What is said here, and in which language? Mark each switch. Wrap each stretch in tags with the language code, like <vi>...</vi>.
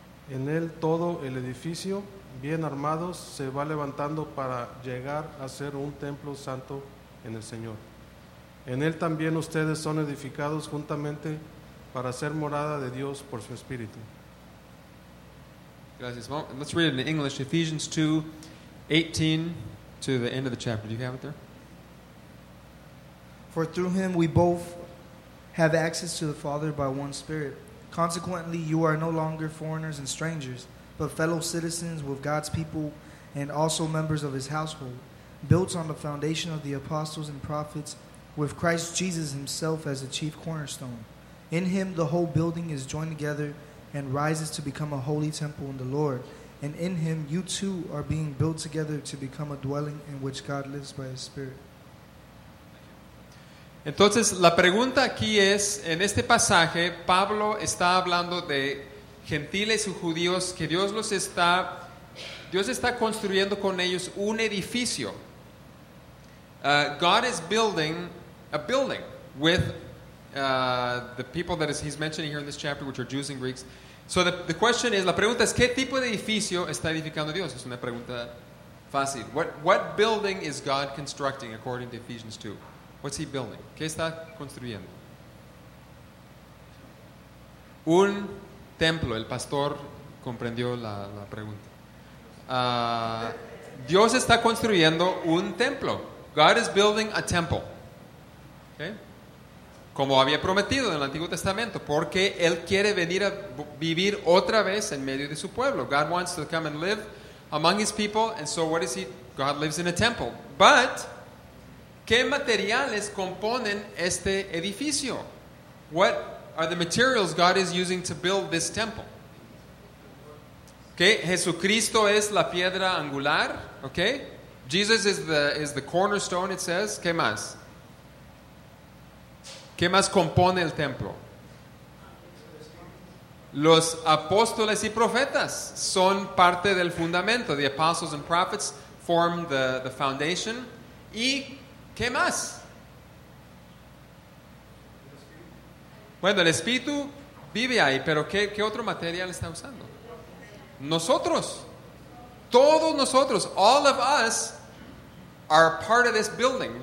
<es>En él todo el edificio, bien armado, se va levantando para llegar a ser un templo santo en el Señor. En él también ustedes son edificados juntamente para ser morada de Dios por su Espíritu. Gracias.</es> <en>Well, let's read it in English. Ephesians 2, 18 to the end of the chapter. Do you have it there? For through him we both have access to the Father by one Spirit. Consequently, you are no longer foreigners and strangers, but fellow citizens with God's people and also members of his household, built on the foundation of the apostles and prophets, with Christ Jesus himself as the chief cornerstone. In him, the whole building is joined together and rises to become a holy temple in the Lord. And in him, you too are being built together to become a dwelling in which God lives by his Spirit.</en> <es>Entonces, la pregunta aquí es, en este pasaje, Pablo está hablando de gentiles y judíos, que Dios está construyendo con ellos un edificio.</es> <en>God is building a building with the people that he's mentioning here in this chapter, which are Jews and Greeks. So the question is,</en> <es>la pregunta es, ¿qué tipo de edificio está edificando Dios? Es una pregunta fácil.</es> <en>What building is God constructing according to Ephesians 2? What's he building?</en> <es>¿Qué está construyendo? Un templo. El pastor comprendió la pregunta. Dios está construyendo un templo.</es> <en>God is building a temple. Okay.</en> <es>Como había prometido en el Antiguo Testamento, porque él quiere venir a vivir otra vez en medio de su pueblo.</es> <en>God wants to come and live among his people, and so what is he? God lives in a temple.</en> <es>But, ¿qué materiales componen este edificio?</es> <en>What are the materials God is using to build this temple?</en> <es>Okay. Jesucristo es la piedra angular, okay?</es> <en>Jesus is the cornerstone, it says.</en> <es>¿Qué más? ¿Qué más compone el templo? Los apóstoles y profetas son parte del fundamento.</es> <en>The apostles and prophets form the foundation.</en> <es>¿Y qué más? Bueno, el Espíritu vive ahí, pero ¿qué otro material está usando? Nosotros. Todos nosotros.</es> <en>All of us are part of this building.</en>